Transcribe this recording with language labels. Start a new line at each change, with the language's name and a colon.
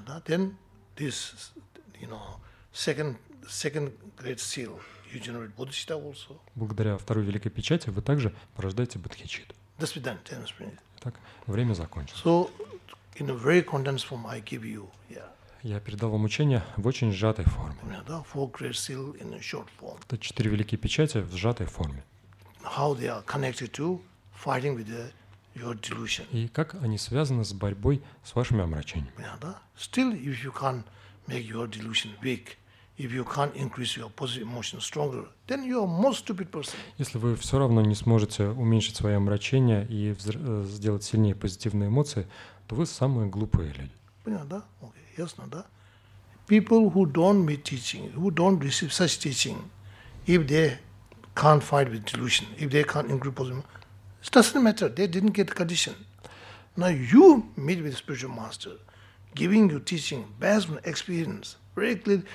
English: Then this, you know, second great seal, you generate bodhicitta also.
Russian: Благодаря второй великой печати вы также порождаете бодхичит. До свидания, тянем спринт. Так, время закончилось.
English: In a very condensed form, I give you.
Russian: Я передал вам учение в очень сжатой форме.
English: Four great seal in a short form.
Russian: Это четыре великие печати в сжатой форме.
English: How they are connected to fighting with your delusion.
Russian: И как они связаны с борьбой с вашими омрачениями.
English: Still, if you can't make your delusion weak, if you can't increase your positive emotion stronger, then you are most stupid person.
Russian: Если вы все равно не сможете уменьшить свои омрачения и сделать сильнее позитивные эмоции, то вы самые глупые люди. Понятно, да?
English: Okay,
Russian: ясно, да?
English: People who don't meet teaching, who don't receive such teaching, if they can't fight with delusion, if they can't improve positive, it doesn't matter. They didn't get the condition. Now you meet with spiritual master, giving you teaching, based on experience, very clear.